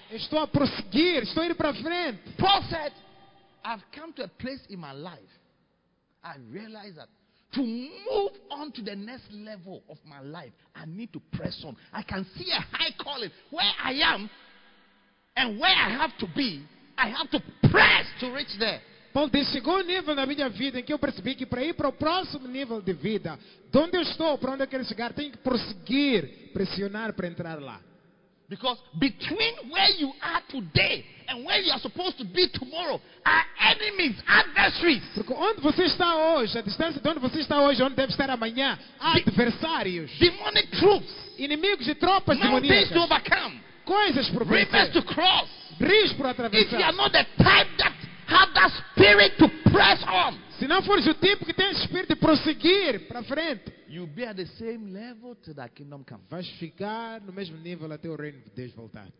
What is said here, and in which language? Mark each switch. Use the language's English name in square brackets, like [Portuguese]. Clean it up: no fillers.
[Portuguese] Estou a prosseguir, estou a ir para frente. [English] Proceed. I've come to a place in my life. I realize that to move on to the next level of my life, I need to press on. I can see a high calling where I am and where I have to be. I have to press to reach there. [Portuguese] Bom, de segundo nível na minha vida em que eu percebi que para ir para o próximo nível de vida, de onde eu estou, para onde eu quero chegar, tenho que prosseguir, pressionar para entrar lá. [English] Because between where you are today and where you are supposed to be tomorrow are enemies, adversaries. [Portuguese] Porque onde você está hoje, a distância de onde você está hoje, onde deve estar amanhã, adversários. [English] Demonic troops. [Portuguese] Inimigos de tropas demoníacas. [English] Mountains to overcome. [Portuguese] Coisas por vencer. [English] Rivers to cross. [Portuguese] Rios por atravessar. [English] If you are not the type that have that spirit to press on. [Portuguese] Se não fores o tipo que tem esse espírito de prosseguir para frente, [English] you'll be at the same level till the kingdom comes. [Portuguese] Vais ficar no mesmo nível até o reino de Deus voltar.